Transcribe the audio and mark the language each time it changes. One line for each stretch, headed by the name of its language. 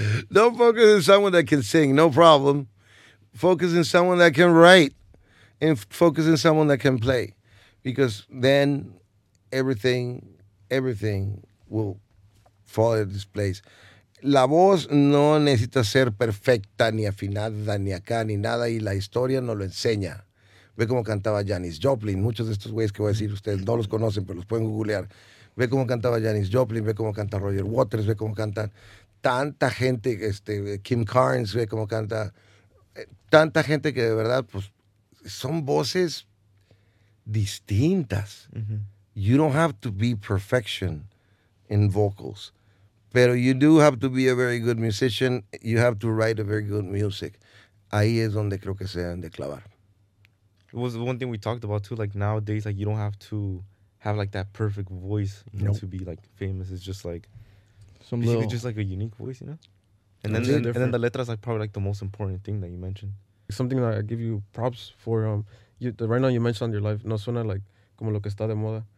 English: Don't focus on someone that can sing, no problem. Focus on someone that can write, and focus on someone that can play. Because then everything will fall into this place.
Spanish: La voz no necesita ser perfecta, ni afinada, ni acá, ni nada, y la historia no lo enseña. Ve cómo cantaba Janis Joplin. Muchos de estos güeyes que voy a decir, ustedes no los conocen, pero los pueden googlear. Ve cómo cantaba Janis Joplin, ve cómo canta Roger Waters, ve cómo cantan tanta gente, Kim Carnes, ve cómo canta tanta gente que de verdad, pues, son voces distintas.
English: You don't have to be perfection in vocals, pero you do have to be a very good musician. You have to write a very good music.
Spanish: Ahí es donde creo que se deben de clavar.
English: It was one thing we talked about too, like nowadays, like you don't have to have like that perfect voice to be like famous. It's just like some little, could just like a unique voice, you know. And then the letras are probably like the most important thing that you mentioned. Something that I give you props for, right now you mentioned your life,
Spanish: no suena like como lo que está de moda.